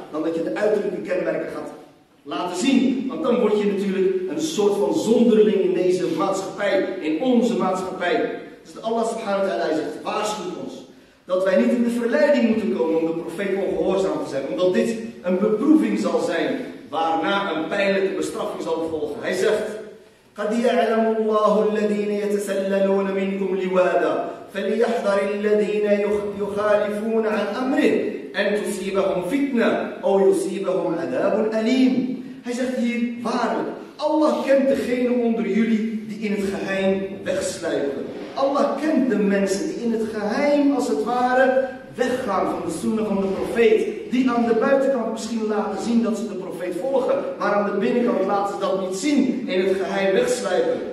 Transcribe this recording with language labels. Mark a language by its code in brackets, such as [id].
[nl] Dan dat je de uiterlijke kenmerken gaat laten zien. Want dan word je natuurlijk een soort van zonderling in deze maatschappij. In onze maatschappij. Dus Allah subhanahu wa ta'ala zegt, waarschuwt ons. Dat wij niet in de verleiding moeten komen om de profeet ongehoorzaam te zijn. Omdat dit een beproeving zal zijn. Waarna een pijnlijke bestraffing zal volgen. Hij zegt: [ar] قَدْ يَعْلَمُ اللَّهُ الَّذِينَ يَتَسَلَّلُونَ مِنْكُمْ لِوَادًا فليحذر الذين يخالفون عن أمره أن تصيبهم فتنة أو يصيبهم عذاب أليم. [nl] Hij zegt hier, waarlijk, Allah kent degene onder jullie die in het geheim wegsluipen. Allah kent de mensen die in het geheim, als het ware, weggaan van de sunna van de profeet. Die aan de buitenkant misschien laten zien dat ze de profeet volgen, maar aan de binnenkant laten ze dat niet zien, in het geheim wegsluipen.